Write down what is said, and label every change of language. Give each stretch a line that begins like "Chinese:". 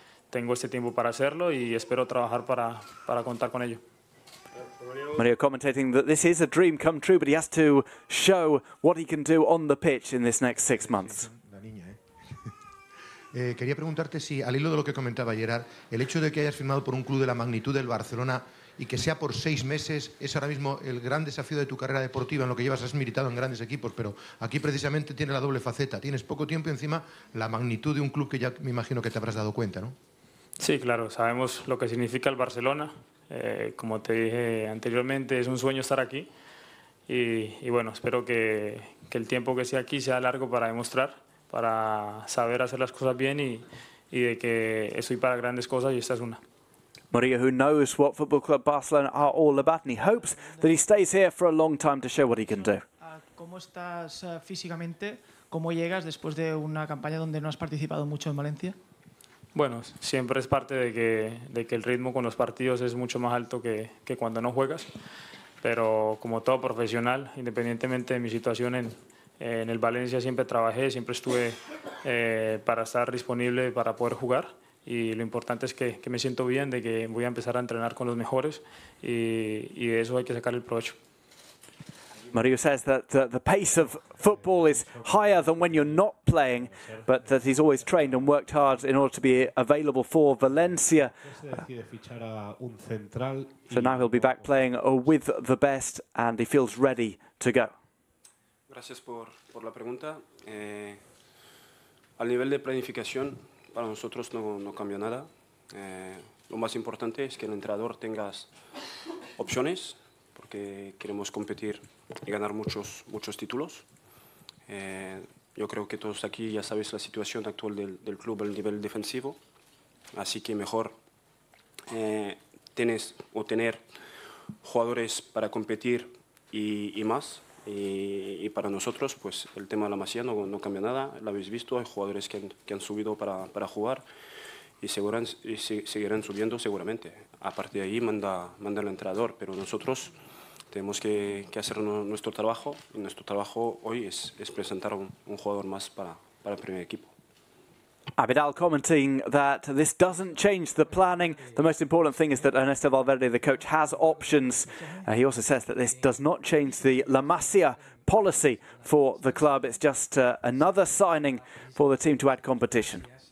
Spanish: Tengo este tiempo para hacerlo y espero trabajar para contar con ello.
English: Mario commentating that this is a dream come true, but he has to show what he can do on the pitch in this next 6 months.
Spanish: La niña, quería preguntarte si, al hilo de lo que comentaba Gerard, el hecho de que hayas firmado por un club de la magnitud del Barcelona y que sea por 6 meses, es ahora mismo el gran desafío de tu carrera deportiva, en lo que llevas, has militado en grandes equipos, pero aquí precisamente tiene la doble faceta. Tienes poco tiempo y encima la magnitud de un club que ya me imagino que te habrás dado cuenta, ¿no? Sí, claro, sabemos lo que significa el Barcelona. Como te dije anteriormente, es un sueño estar aquí y bueno, espero que el tiempo que sea aquí sea largo para demostrar, para saber hacer las cosas bien y de que estoy para grandes cosas y esta es una.
English: Murillo, who knows what Football Club Barcelona are all about, and he hopes that he stays here for a long time to show what he can do.
Spanish: ¿Cómo estás físicamente? ¿Cómo llegas después de una campaña donde no has participado mucho en Valencia? Bueno, siempre es parte de que el ritmo con los partidos es mucho más alto que cuando no juegas. Pero como todo profesional, independientemente de mi situación en el Valencia, siempre trabajé, siempre estuve para estar disponible para poder jugar. Y lo importante es que me siento bien, de que voy a empezar a entrenar con los mejores y de eso hay que sacar el provecho.
English: Mario says that the pace of football is higher than when you're not playing, but that he's always trained and worked hard in order to be available for Valencia. So now he'll be back playing with the best, and he feels ready to go.
Spanish: Gracias por la pregunta. Al nivel de planificación, para nosotros no cambia nada. Lo más importante es que el entrenador tenga opciones, porque queremos competir y ganar muchos títulos. Yo creo que todos aquí ya sabéis la situación actual del club, el nivel defensivo. Así que mejor tener jugadores para competir y más. Y para nosotros, pues el tema de la Masía no cambia nada. Lo habéis visto, hay jugadores que han subido para jugar y seguirán subiendo seguramente. A partir de ahí manda el entrenador, pero nosotros tenemos que hacer nuestro trabajo, y nuestro trabajo hoy es presentar un jugador más para el primer equipo.
English: Abidal commenting that this doesn't change the planning. The most important thing is that Ernesto Valverde, the coach, has options. He also says that this does not change the La Masia policy for the club. It's just another signing for the team to add competition.